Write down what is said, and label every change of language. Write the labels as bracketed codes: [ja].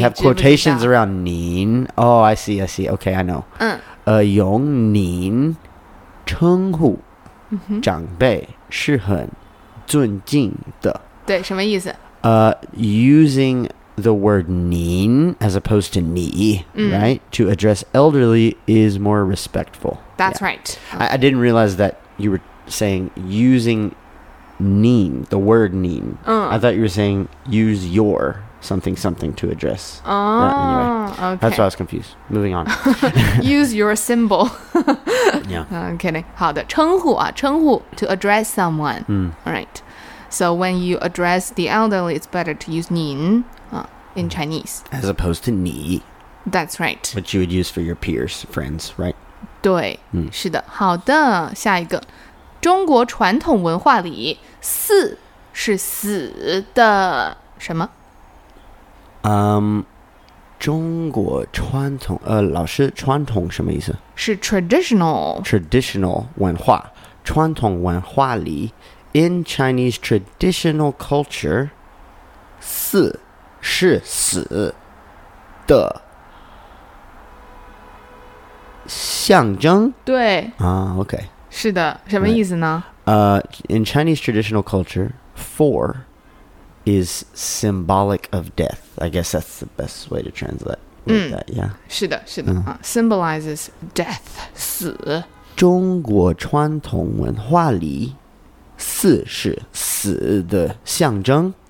[en] You have quotations around 您 Oh, I see. Okay, I know. [zh] 用您称呼长辈是很尊敬的。对，什么意思？ [en] Using the word 您 as opposed to 你 right? To address elderly is more respectful. That's right. I didn't realize that you were saying using 您 the word 您 I thought you were saying use your something something to address anyway, that's why I was confused moving on use your symbol yeah I'm kidding [zh] 好的称呼啊称呼 [en] to address someone alright so when you address the elderly it's better to use 您 in Chinese as opposed to 你 that's right which you would use for your peers friends right [zh] 对、是的好的下一个中国传统文化里四是死的什么、中国传统，老师，传统什么意思？是 traditional。 traditional 文化，传统文化里 ， [en] in Chinese traditional culture， [zh] 死是死的象征。对啊 ，OK，是的，什么意思呢？ [en] In Chinese traditional culture， for。 Is symbolic of death. I guess that's the best way to translate that, yeah? [zh] 是的是的、 [en] symbolizes death, 死。 [zh] 中国传统文化里死是死的象征。